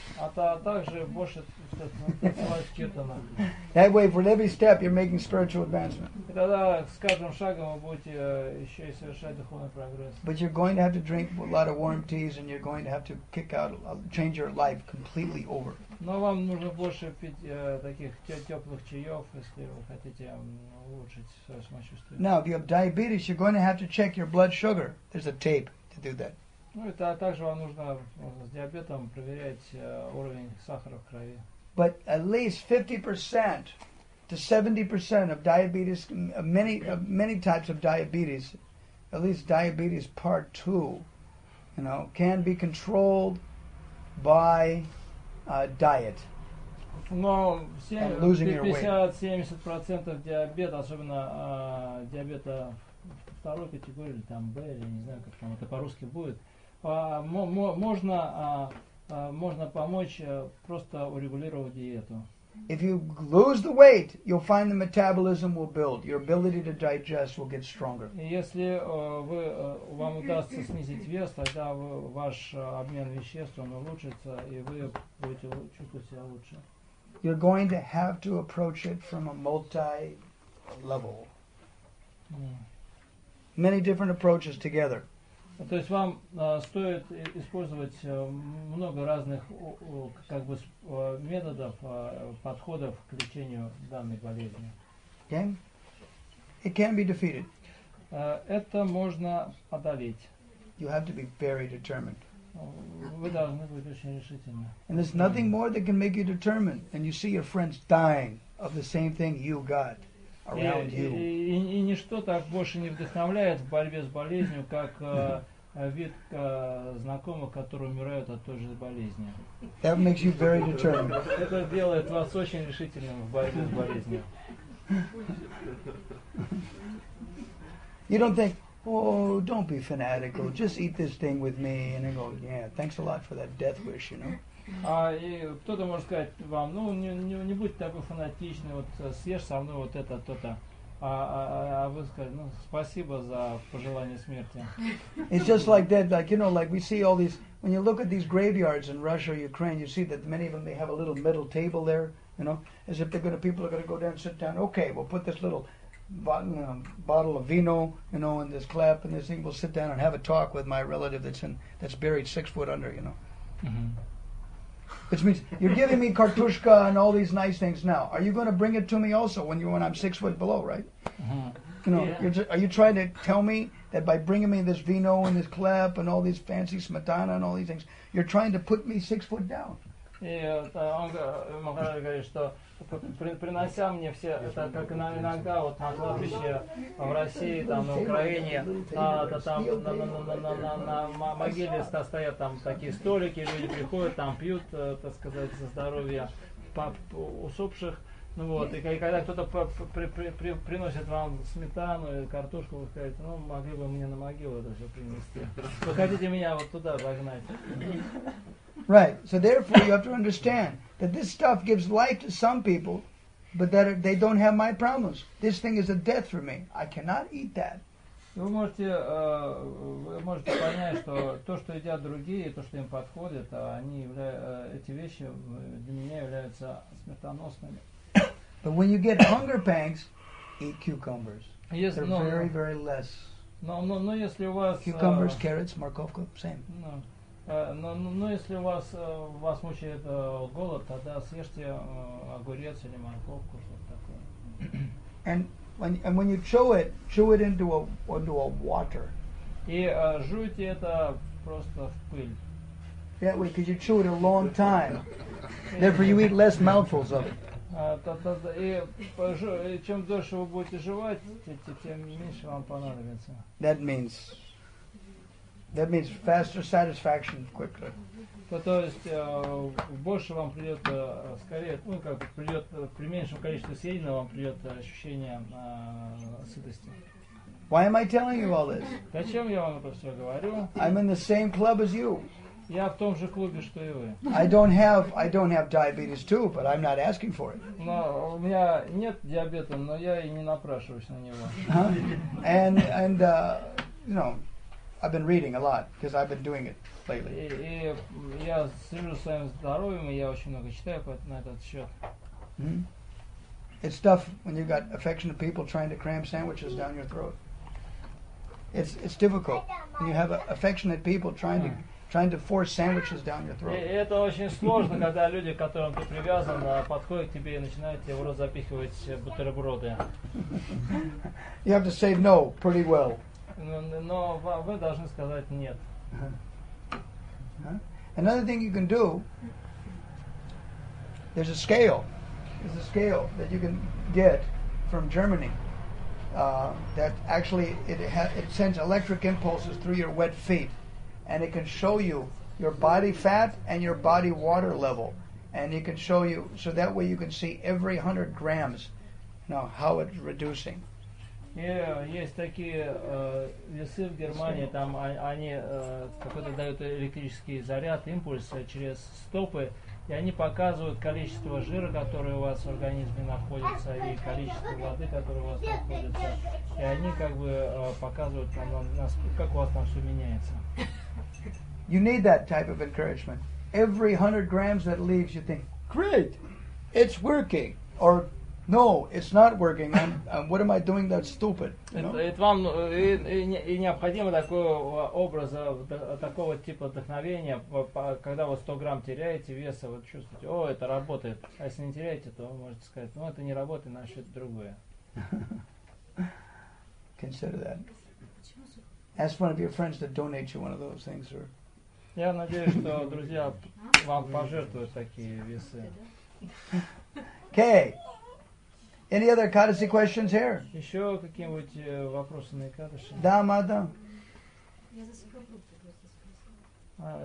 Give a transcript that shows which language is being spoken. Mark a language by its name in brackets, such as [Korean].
[Russian] А также больше танцевать киртана. [English] That way, for every step, you're making spiritual advancement. [Russian] И тогда с каждым шагом вы будете еще и совершать духовный прогресс. [English] But you're going to have to drink a lot of warm teas, and you're going to have to kick out, change your life completely over. [Russian] Но вам нужно больше пить таких теплых чаев, если вы хотите улучшить свое самочувствие. [English] Now, if you have diabetes, you're going to have to check your blood sugar. There's a tape to do that. [Russian] Ну, это также вам нужно с диабетом проверять уровень сахара в крови. [English] But at least 50% to 70% of diabetes, many types of diabetes, at least diabetes part 2, you know, can be controlled by diet. [Russian] Но 50-70% диабета, особенно диабета второй категории, или там Б, я не знаю, как там это по-русски будет, можно помочь просто урегулировать диету. [English] If you lose the weight, you'll find the metabolism will build. Your ability to digest will get stronger. [Russian] Если вы вам удастся снизить вес, тогда ваш обмен веществ он улучшится, и вы будете чувствовать себя лучше. [English] You're going to have to approach it from a multi level. Many different approaches together. [Russian] То есть вам стоит использовать много разных как бы методов, подходов к лечению данной болезни. [English] Okay? It can be defeated. [Russian] Это можно одолеть. [English] You have to be very determined. [Russian] Вы должны быть очень решительны. [English] And there's nothing more that can make you determined than you see your friends dying of the same thing you got. [Russian] И ничто так больше не вдохновляет в борьбе с болезнью, как вид знакомых, которые умирают от той же болезни. [English] That makes you very determined. [Russian] Это делает вас очень решительным в борьбе с болезнью. [English] You don't think, oh, don't be fanatical, just eat this thing with me, and then go, yeah, thanks a lot for that death wish, you know. [Russian] А и кто-то может сказать вам, ну не будь такой фанатичный, вот съешь со мной вот это то-то, а вы скажете, ну спасибо за пожелание смерти. [English] It's just like that, like you know, like we see all these. When you look at these graveyards in Russia or Ukraine, you see that many of them they have a little metal table there, you know, as if they're gonna people are gonna go down and sit down. Okay, we'll put this little bottle of vino, you know, in this clap and this thing. We'll sit down and have a talk with my relative that's buried 6 foot under, you know. Mm-hmm. Which means you're giving me kartushka and all these nice things now. Are you going to bring it to me also when I'm 6 foot below, right? Mm-hmm. You know, yeah. Are you trying to tell me that by bringing me this vino and this klep and all these fancy smetana and all these things, you're trying to put me 6 foot down? [Russian] Yeah, принося мне все, это как иногда вот на кладбище в России, там на Украине, там на могиле стоят там такие столики, люди приходят, там пьют, так сказать, за здоровье усопших, ну вот, и когда кто-то приносит вам сметану или картошку, вы скажете, ну могли бы мне на могилу это все принести, вы хотите меня вот туда загнать? [English] Right. So therefore, you have to understand that this stuff gives life to some people, but that they don't have my problems. This thing is a death for me. I cannot eat that. [Russian] Вы можете понять, что то, что едят другие, то, что им подходит, эти вещи для меня являются смертоносными. [English] But when you get hunger pangs, eat cucumbers. They're very, very less. No. [Russian] Если у вас [English] cucumbers, carrots, морковка, same. No. [Russian] Но если вас мучает голод, тогда съешьте огурец или морковку, что-то такое. [English] And when you chew it into a water. [Russian] И жуйте это просто в пыль. [English] That way, because you chew it a long time. Therefore, you eat less mouthfuls of it. [Russian] И чем дольше вы будете жевать, тем меньше вам понадобится. [English] That means faster satisfaction, quicker. [Russian] То есть больше вам придет скорее, ну как придет при меньшем количестве съеденного вам придет ощущение сытости. [English] Why am I telling you all this? [Russian] Зачем я вам это все говорю? [English] I'm in the same club as you. [Russian] Я в том же клубе, что и вы. [English] I don't have diabetes too, but I'm not asking for it. [Russian] Но у меня нет диабета, но я и не напрашиваюсь на него. [English] I've been reading a lot because I've been doing it lately. [Russian] И я слежу за своим здоровьем, и я очень много читаю по на этот счет. Mm-hmm. [English] It's tough when you've got affectionate people trying to cram sandwiches down your throat. It's difficult when you have affectionate people trying to force sandwiches down your throat. [Russian] Это очень сложно, когда люди, к которым ты привязан, подходят к тебе и начинают тебе в рот запихивать бутерброды. [English] You have to say no pretty well. [Russian] Но вы должны сказать нет. [English] Another thing you can do, there's a scale that you can get from Germany that actually it sends electric impulses through your wet feet, and it can show you your body fat and your body water level, and it can show you, so that way you can see every 100 grams, you know, how it's reducing. [Russian] Есть такие весы в Германии, там они какой-то дают электрический заряд, импульс через стопы, и они показывают количество жира, которое у вас в организме находится, и количество воды, которое у вас находится. И они как бы показывают, как у вас там все меняется. [English] You need that type of encouragement. Every 100 grams that leaves, you think, great, it's working. Or, no, it's not working. What am I doing? That's stupid. [Russian] Это вам и необходимо такого образа, такого типа вдохновения, когда вы 100 грамм теряете веса, вы чувствуете, о, это работает. А если не теряете, то вы можете сказать, ну, это не работает, значит, это другое. [English] Consider that. Ask one of your friends to donate you one of those things. Or... [Russian] Я надеюсь, что друзья вам пожертвуют такие весы. [English] Okay. Any other Kadashi questions here? [Russian] Еще какие-нибудь вопросы на Кадаши? Да, мадам. Я за сухофрукты просто спросила.